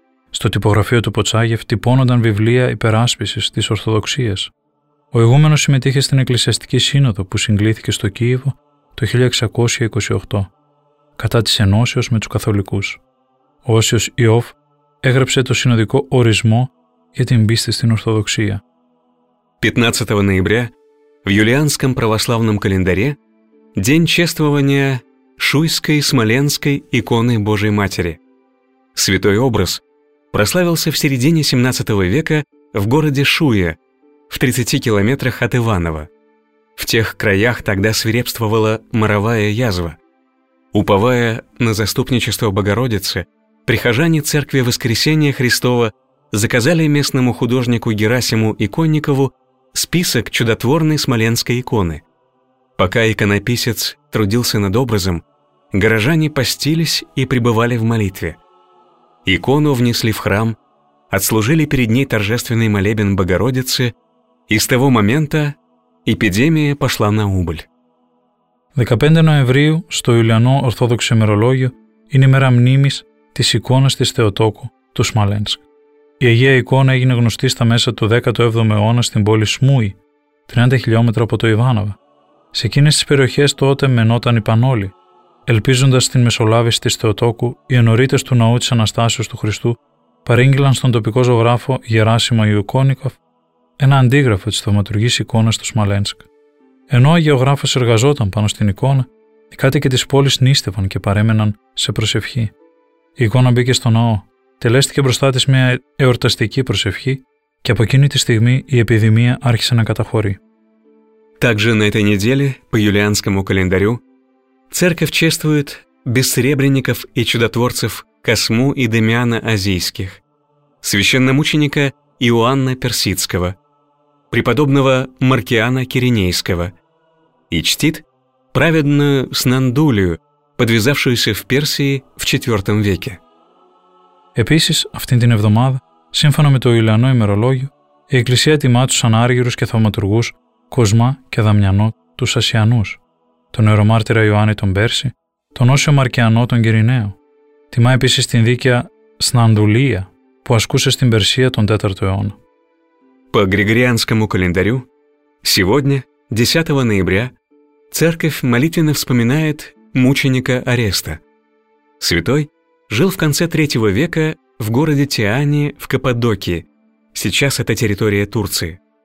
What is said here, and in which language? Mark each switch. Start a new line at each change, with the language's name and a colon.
Greek: Στο τυπογραφείο του Ποτσάγεφ τυπώνονταν βιβλία υπεράσπισης της Ορθοδοξίας. Ο ηγούμενος συμμετείχε στην Εκκλησιαστική Σύνοδο που συγκλήθηκε στο Κίεβο το 1628, κατά της ενώσεως με τους καθολικούς. Ο Όσιος Ιώφ έγραψε το συνοδικό ορισμό για την πίστη στην Ορθοδοξία.
Russian: 15 ноября в юлианском православном календаре день чествования Шуйской Смоленской иконы Божией Матери. Святой образ прославился в середине 17 века в городе Шуе, в 30 километрах от Иваново. В тех краях тогда свирепствовала моровая язва. Уповая на заступничество Богородицы, прихожане Церкви Воскресения Христова заказали местному художнику Герасиму Иконникову список чудотворной смоленской иконы. Пока иконописец трудился над образом, горожане постились и пребывали в молитве. Икону внесли в храм, отслужили перед ней торжественный молебен Богородицы, и с того момента эпидемия пошла на убыль. 15 ноября
Greek: στο Ιουλιανό Ορθόδοξο ημερολόγιο είναι ημέρα μνήμης της εικόνας της Θεοτόκου του Σμαλένσκ. Η Αγία Εικόνα έγινε γνωστή στα μέσα του 17ου αιώνα στην πόλη Σμούι, 30 χιλιόμετρα από το Ιβάνοβο. Σε εκείνες τις περιοχές τότε μενόταν οι Πανόλοι, ελπίζοντας την μεσολάβηση της Θεοτόκου, οι ενωρίτες του Ναού της Αναστάσεως του Χριστού παρήγγειλαν στον τοπικό ζωγράφο Γεράσιμο Ιουκόνικοφ ένα αντίγραφο της θαυματουργής εικόνας του Σμαλένσκ. Ενώ ο αγιογράφος εργαζόταν πάνω στην εικόνα, οι κάτοικοι της πόλης νίστευαν και παρέμεναν σε προσευχή. Η εικόνα μπήκε στο ναό. Τελέστηκε μπροστά της μια εορταστική προσευχή και από εκείνη τη στιγμή η επιδημία άρχισε να καταχωρεί.
Russian: Также на этой неделе по юлианскому календарю церковь чествует бессребренников и чудотворцев Косму и Дамиана Азийских, священномученика Иоанна Персидского, преподобного Маркиана Киренейского и чтит праведную Снандулию, подвязавшуюся в Персии в IV веке.
Greek: Επίσης, αυτήν την εβδομάδα, σύμφωνα με το Ιουλιανό ημερολόγιο, η Εκκλησία τιμά τους ανάργυρους και θαυματουργούς Κοσμά και Δαμιανό, τους Ασιανούς. τον Ιερομάρτυρα Ιωάννη τον Πέρση, τον Όσιο Μαρκιανό τον Κυριναίο. Τιμά επίσης την δίκαια Σνανδουλία που ασκούσε στην Περσία τον 4ο αιώνα.
Russian: По Григорианскому календарю, сегодня, 10 ноября, церковь молитвенно вспоминает мученика Ареста. Святой жил в конце 3 века в городе Тиане в Каппадокии, сейчас это территория Турции.